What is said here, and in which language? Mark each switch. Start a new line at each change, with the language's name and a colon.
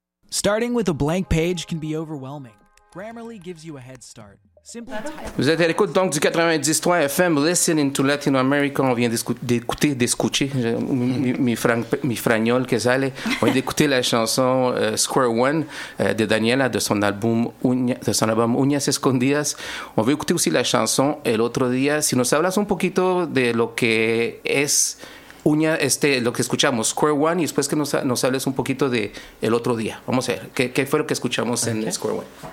English: Starting with a blank page can be overwhelming. Grammarly gives you a head start.
French: Vous êtes à l'écoute donc du 93 FM Listening to Latin America. On vient d'écouter, d'écouter la chanson Square One de Daniela de son album Uñas Escondidas. On veut écouter aussi la chanson El Otro Día.
Spanish: Si nous hablas un poquito de lo que es Uña, lo que escuchamos, Square One, y después que nos hables un poquito de El Otro Día. Vamos a ver, ¿qué fue lo que escuchamos en Square One?